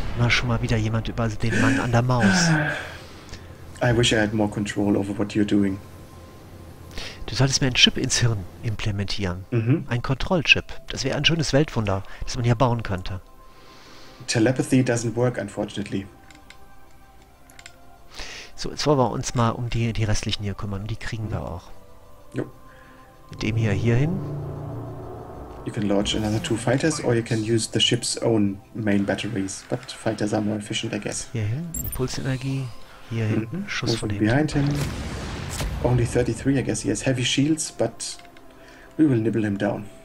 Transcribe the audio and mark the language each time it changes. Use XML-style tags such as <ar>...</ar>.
<de>Mal schon mal wieder jemand über den Mann an der Maus.</de> <en>I wish I had more control over what you're doing.</en> <de>Du Du solltest mir einen Chip ins Hirn implementieren. Mhm. Ein Kontrollchip. Das wäre ein schönes Weltwunder, das man hier bauen könnte.</de> <en>Telepathy doesn't work, unfortunately.</en> <de>So, jetzt wollen wir uns mal um die restlichen hier kümmern. Die kriegen wir auch. Jo. Mit dem hier hin.</de> <en>You can launch another two fighters, or you can use the ship's own main batteries. But fighters are more efficient, I guess.</en> <de>Hier hin, Impulsenergie. Hier hinten, Schuss von dem.</de> <en>Behind him. Only 33, I guess. He has heavy shields, but we will nibble him down.</en>